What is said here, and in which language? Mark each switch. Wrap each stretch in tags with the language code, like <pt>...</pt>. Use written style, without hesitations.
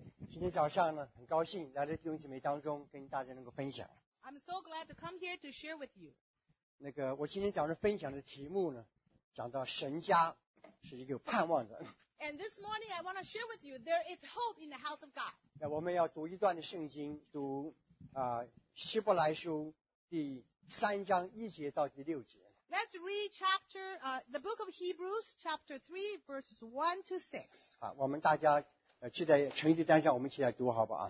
<zh>今天早上呢，很高兴来到弟兄姐妹当中，跟大家能够分享。</zh> <en>I'm so glad to come here to share with you.</en> <zh>那个，我今天早上分享的题目呢，讲到神家是一个有盼望的。</zh> <en>And this morning I want to share with you there is hope in the house of God.</en> <zh>那我们要读一段的圣经，读希伯来书第三章一节到第六节。</zh> <en>Let's read chapter, the book of Hebrews, chapter 3, verses 1 to 6.</en> <zh>好，我们大家记在成绩单上，我们一起来读好不好？</zh>